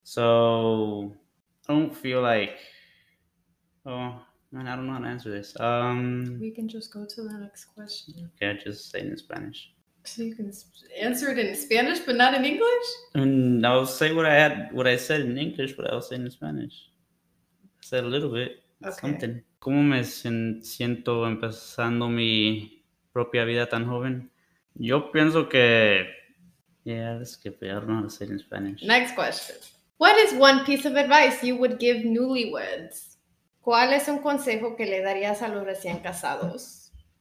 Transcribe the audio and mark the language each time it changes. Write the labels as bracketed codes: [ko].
[en] So I don't feel like. Oh man, I don't know how to answer this. We can just go to the next question. Okay, I just say it in Spanish. So you can answer it in Spanish, but not in English? And I'll say what I said in English, but I'll say in Spanish. I said a little bit, Okay. something. [es] ¿Cómo me siento empezando mi propia vida tan joven? Yo pienso que. Yeah, es que peor no lo sé en Spanish. [en] Next question. What is one piece of advice you would give newlyweds? [es] ¿Cuál es un consejo que le darías a los recién casados?